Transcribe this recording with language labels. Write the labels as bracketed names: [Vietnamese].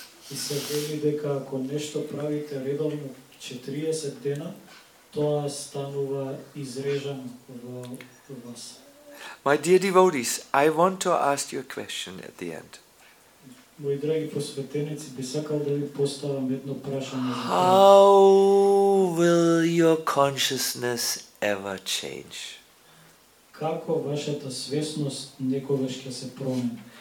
[Macedonian] И се вели дека ако нешто правите редовно 40 дена, тоа станува изрежано во вас. [English] My dear devotees, I want to ask you a question at the end. [Macedonian] Мои драги посветеници, би сакал да ви поставам едно прашање. [English] How will your consciousness ever change? [Macedonian] Како вашата свесност некогаш ќе се промени?